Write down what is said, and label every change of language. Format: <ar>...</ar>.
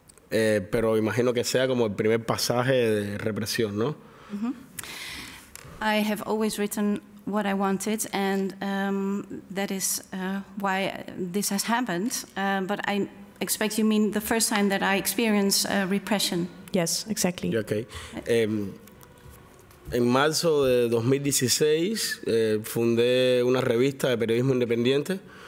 <es>pero imagino que sea como el primer pasaje de represión, ¿no? Mm-hmm.</es> <en>I have always written what I wanted, and that is why this has happened. But I expect you mean the first time that I experience repression. Yes, exactly. Okay.</en> <es>En marzo de 2016 fundé una revista de periodismo independiente.</es>